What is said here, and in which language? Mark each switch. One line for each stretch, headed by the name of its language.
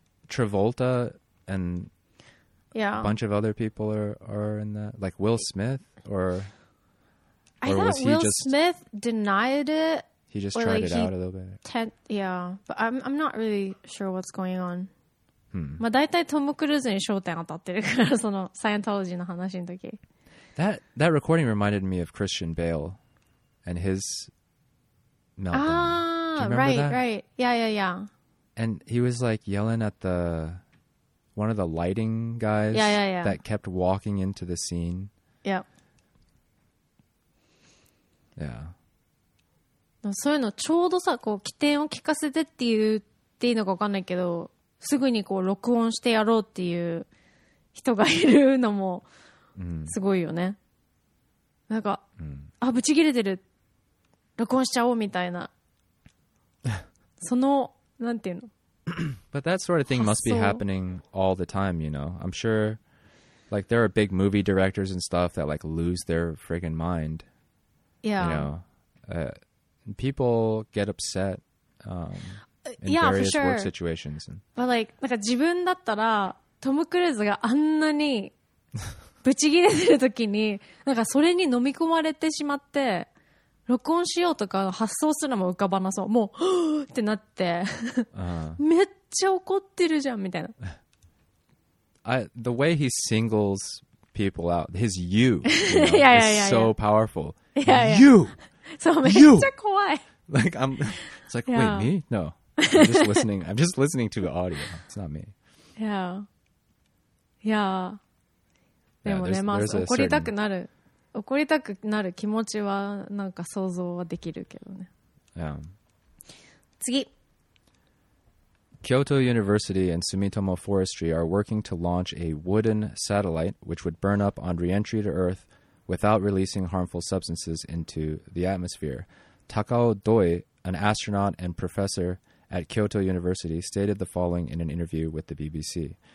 English: Travolta and yeah, a bunch of other people are in that, like Will Smith or I thought was he Will just, Smith denied it. He just tried like it out a little bit. Yeah, but I'm not really sure what's going on. Hmm.
Japanese: まあ大体トム・クルーズに焦点当たってるからそのサイエントロジーの話の時。
English: That recording reminded me of Christian Bale and his meltdown. Right. Yeah. And he was like yelling at one of the lighting guys yeah. that kept walking into the scene. Yep. Yeah.
Japanese: そういうのちょうどさ、こう起点を聞かせてっていう、っていうのか分かんないけど、すぐにこう録音してやろうっていう人がいるのもすごいよね。なんか、あ、ブチ切れてる、録音しちゃおうみたいな。そのなんていうの。
English: But that sort of thing must be happening all the time, you know. I'm sure, like, there are big movie directors and stuff that, like, lose their friggin' mind. Yeah. You know, people get upset in yeah, various for sure. work situations. But, like,
Japanese: なんか自分だったら、トム・クルーズがあんなにブチ切れてる時に、なんかそれに飲み込まれてしまって、録音しようとか発想すらも浮かばなそう。もう、ってなって。めっちゃ怒ってるじゃん、みたいな。
English: The way he singles people out, his you, you know, yeah, yeah, is so yeah. powerful. Yeah, yeah. You! So, you!
Japanese: めっちゃ怖い。
English: Like, I'm, it's like, yeah. wait, me? No. I'm just listening. I'm just listening to the audio. It's not me. Yeah. Yeah.
Japanese: でもね、
English: yeah, there's
Japanese: まあ、怒りたくなる。怒りたくなる気持ちはなんか想像はできるけどね。
English: Yeah.
Japanese: 次。
English: Kyoto University and Sumitomo Forestry are working to launch a wooden satellite which would burn up on re-entry to Earth without releasing harmful substances into the atmosphere. Takao Doi, an astronaut and professor at Kyoto University, stated the following in an interview with the BBC.